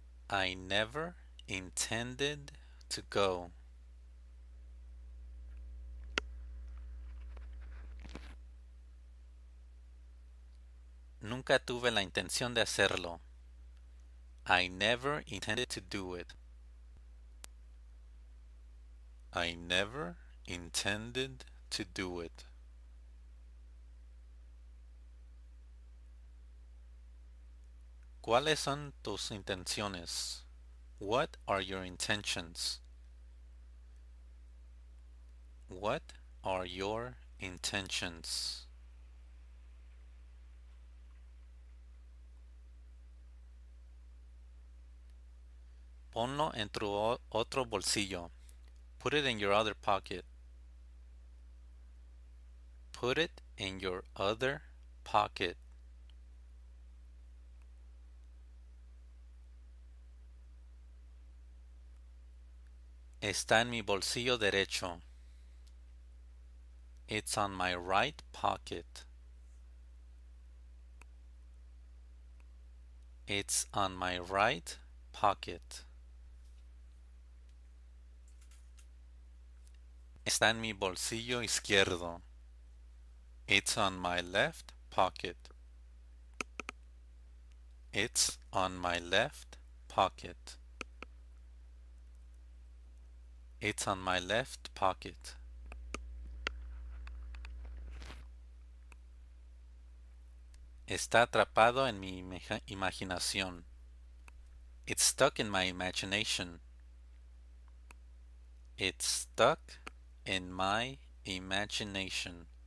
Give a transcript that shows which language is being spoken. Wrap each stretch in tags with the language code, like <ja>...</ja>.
<en>I never intended to go.</en> <es>Nunca tuve la intención de hacerlo.</es> <en>I never intended to do it. I never intended to do it.</en> <es>¿Cuáles son tus intenciones?</es> <en>What are your intentions? What are your intentions?</en> <es>Ponlo en tu otro bolsillo.</es> <en>Put it in your other pocket. Put it in your other pocket.</en> <es>Está en mi bolsillo derecho.</es> <en>It's on my right pocket. It's on my right pocket.</en> <es>Está en mi bolsillo izquierdo.</es> <en>It's on my left pocket. It's on my left pocket. It's on my left pocket.</en> <es>Está atrapado en mi imaginación.</es> <en>It's stuck in my imagination. It's stuck in my imagination.</en>